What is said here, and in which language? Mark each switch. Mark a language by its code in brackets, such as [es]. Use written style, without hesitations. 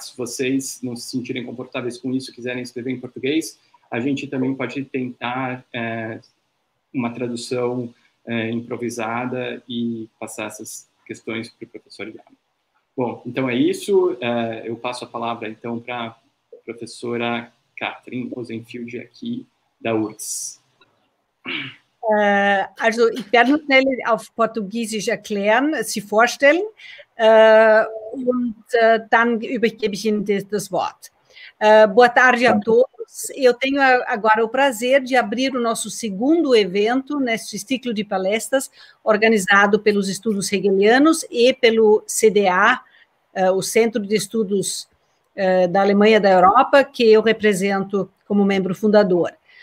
[pt] Se vocês não se sentirem confortáveis com isso, quiserem escrever em português, a gente também pode tentar uma tradução improvisada e passar essas questões para o professor Yammer. Bom, então é isso. Eu passo a palavra, então, para a professora Katrin Rosenfield, aqui da URGS. [de] Also ich werde noch schnell auf Portugiesisch erklären, Sie vorstellen und dann übergebe ich Ihnen das Wort. [pt] Boa tarde a todos. Eu tenho agora o prazer de abrir o nosso segundo evento neste ciclo de palestras organizado pelos Estudos Hegelianos e pelo CDA, o Centro de Estudos da Alemanha e da Europa, que eu represento como membro fundador.